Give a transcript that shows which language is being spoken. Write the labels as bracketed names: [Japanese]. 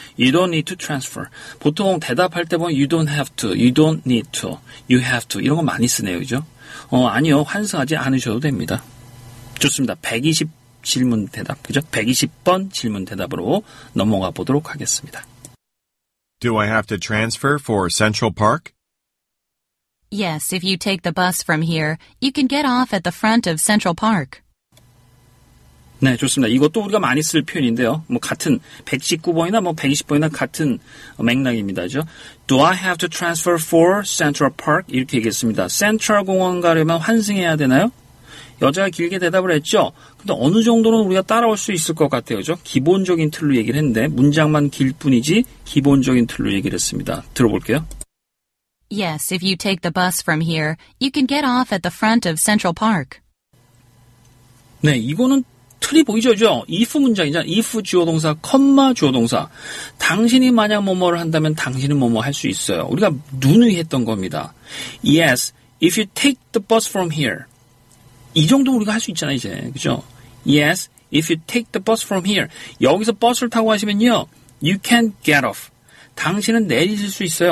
[English] You don't need to transfer. [Korean] 보통 대답할 때 보면 [English] you don't have to, you don't need to, you have to [Korean] 이런 거 많이 쓰네요, 그렇죠? 아니요, 환승하지 않으셔도 됩니다. 좋습니다. 120 질문 대답, 그렇죠? 120번 질문 대답으로 넘어가 보도록 하겠습니다. [English] Do I have to transfer for Central Park? Yes, if you take the bus from here, you can get off at the front of Central Park. [Korean] 네, 좋습니다. 이것도 우리가 많이 쓸 표현인데요. 뭐 같은 119번이나 뭐 120번이나 같은 맥락입니다죠. [English] Do I have to transfer for Central Park? [Korean] 이렇게 얘기했습니다. 센트럴 공원 가려면 환승해야 되나요? 여자가 길게 대답을 했죠. 근데 어느 정도는 우리가 따라올 수 있을 것 같아요. 그죠? 기본적인 틀로 얘기를 했는데 문장만 길 뿐이지 기본적인 틀로 얘기를 했습니다. 들어볼게요. [English] Yes, if you take the bus from here, you can get off at the front of Central Park. [Korean] 네, 이거는 틀이 보이죠, 그죠? if 문장이잖아. if 주어동사, 컴마 주어동사. 당신이 만약 뭐뭐를 한다면 당신은 뭐뭐 할 수 있어요. 우리가 누누이 했던 겁니다. [English] Yes, if you take the bus from here. [Korean] 이 정도 우리가 할 수 있잖아요, 이제. 그죠? [English] Yes, if you take the bus from here. [Korean] 여기서 버스를 타고 가시면요. [English] You can get off. [Korean] 당신은 내리실 수 있어요.